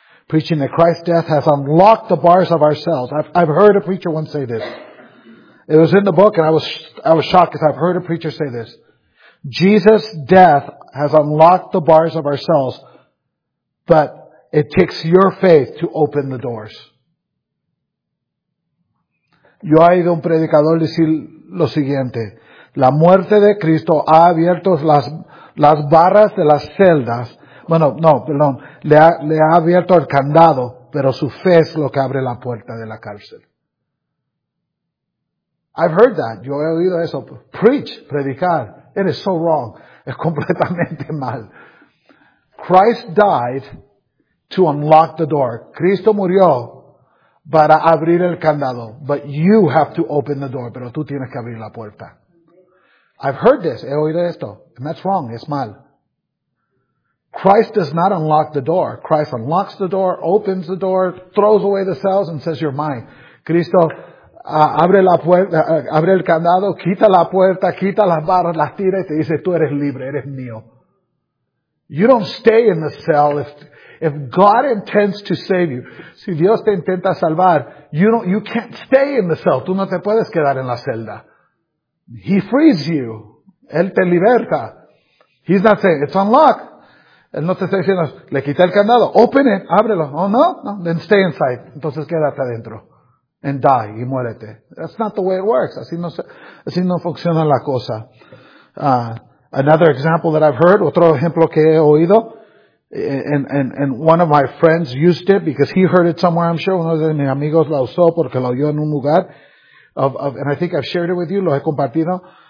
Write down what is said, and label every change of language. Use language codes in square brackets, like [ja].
[en] Preaching that Christ's death has unlocked the bars of ourselves. I've heard a preacher once say this. It was in the book, and I was shocked because I've heard a preacher say this. Jesus' death has unlocked the bars of our cells, but it takes your faith to open the doors. [es] Yo he oído un predicador decir lo siguiente. La muerte de Cristo ha abierto las barras de las celdas. Bueno, no, perdón. Le ha abierto el candado, pero su fe es lo que abre la puerta de la cárcel. [en] I've heard that. [es] Yo he oído eso. [en] Preach, [es] predicar. [en] It is so wrong. [es] Es completamente mal. [en] Christ died to unlock the door. [es] Cristo murió para abrir el candado. [en] But you have to open the door. [es] Pero tú tienes que abrir la puerta. [en] I've heard this. [es] He oído esto. [en] And that's wrong. [es] Es mal. [en] Christ does not unlock the door. Christ unlocks the door, opens the door, throws away the cells, and says, you're mine. [es] Cristo abre la puerta, abre el candado, quita la puerta, quita las barras, las tira, y te dice, tú eres libre, eres mío. [en] You don't stay in the cell. If God intends to save you, [es] si Dios te intenta salvar, [en] you can't stay in the cell. [es] Tú no te puedes quedar en la celda. [en] He frees you. [es] Él te liberta. [en] He's not saying, it's unlocked. [es] Él no te está diciendo, le quité el candado, [en] open it, [es] ábrelo. [en] Oh, no, no, then stay inside. [es] Entonces quédate adentro. [en] And die, [es] y muérete. [en] That's not the way it works. [es] Así no funciona la cosa. [en] Another example that I've heard, [es] otro ejemplo que he oído, [en] and one of my friends used it because he heard it somewhere, I'm sure. [es] Uno de mis amigos la usó porque lo oyó en un lugar. [en] Of and I think I've shared it with you, [es] lo he compartido.